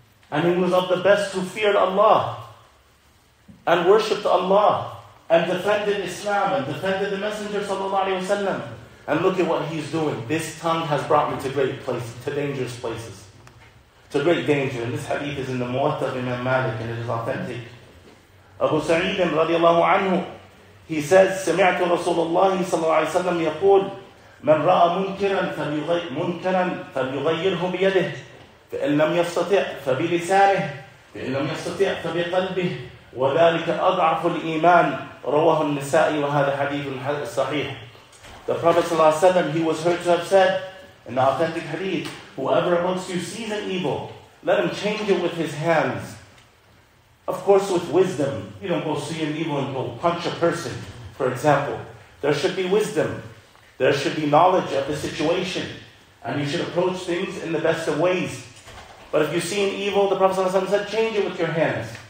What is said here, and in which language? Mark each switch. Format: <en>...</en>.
<en>And he was of the best who feared Allah, and worshipped Allah, and defended Islam, and defended the Messenger sallallahu alayhi wa sallam. And look at what he's doing. This tongue has brought me to great places, to dangerous places. To great danger. And this hadith is in the Muwatta of Imam Malik, and it is authentic. Abu Sa'id radiallahu anhu, he says,</en> <ar>سمعت رسول الله صلى الله عليه وسلم يقول من رأى منكراً فليغيره بيده فإن لم يستطع فبلسانه فإن لم يستطع فبقلبه وذلك أضعف الإيمان رواه النسائي وهذا حديث صحيح</ar> <en>The Prophet صلى الله عليه وسلم, he was heard to have said in the authentic hadith, whoever amongst you sees an evil, let him change it with his hands. Of course, with wisdom. You don't go see an evil and go punch a person, for example. There should be wisdom. There should be knowledge of the situation. And you should approach things in the best of ways. But if you see an evil, the Prophet ﷺ said, change it with your hands.</en>